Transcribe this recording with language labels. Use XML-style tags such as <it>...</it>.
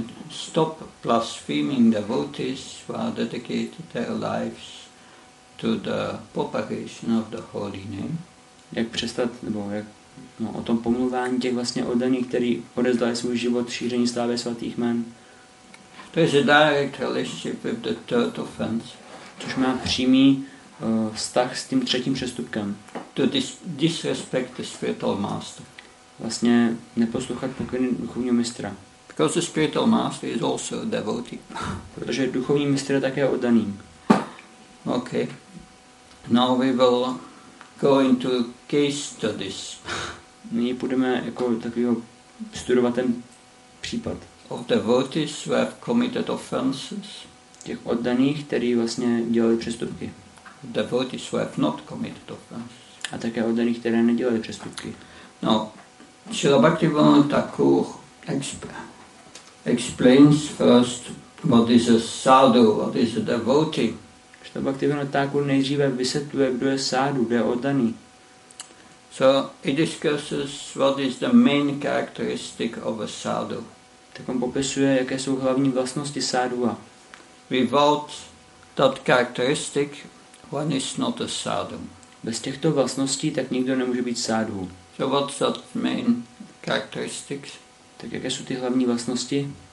<en>Stop blaspheming devotees who are dedicated their lives to the propagation of the holy name.</en> <cs>Jak přestat, nebo jak no, o tom pomluvání těch vlastně oddaných, kteří odezdali svůj život šíření slávy svatých jmen. To je</cs> <en>direct relationship with the third offense.</en> <cs>Což má přímý vztah s tím třetím přestupkem.</cs> <en>To disrespect the spiritual master.</en> <cs>Vlastně neposlouchat pokyny duchovního mistra.</cs> <en>Because the spiritual master is also a devotee.</en> <cs>Protože duchovní mistr je také oddaný.</cs> <en>Okay. Now we will go into case studies.</en> <cs>Nyní půjdeme jako takovýho studovat ten případ.</cs> <en>Of devotees who have committed offenses.</en> <cs>Těch oddaných, kteří vlastně dělali přestupky.</cs> <en>Devotees who have not committed offenses.</en> <cs>A také oddaných, které nedělali přestupky.</cs> <en>No, Srila Bhaktivinoda Thakur explains first what is a sadhu, what is a devotee.</en> <cs>Srila Bhaktivinoda Thakur nejdříve vysvětluje, kdo je sadhu, kdo je oddaný.</cs> <en>So he discusses what is the main characteristic of a sadhu.</en> <cs>Tak on popisuje, jaké jsou hlavní vlastnosti sadhua.</cs> <en>Without that characteristic, one is not a sadhu.</en> <cs>Bez těchto vlastností tak nikdo nemůže být sadhu.</cs> <en>So what's that main characteristics?</en> <cs>Tak jaké jsou ty hlavní vlastnosti?</cs>